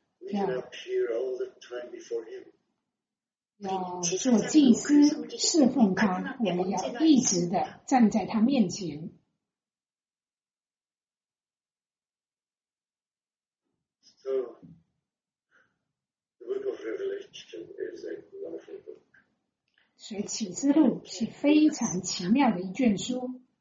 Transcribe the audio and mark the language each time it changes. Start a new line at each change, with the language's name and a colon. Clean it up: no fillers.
English: We can appear all the time before him.
Chinese: 要做祭司侍奉他，我们要一直的站在他面前。
English: So, the book of Revelation is a wonderful book.
Chinese: 所以启示录是非常奇妙的一卷书。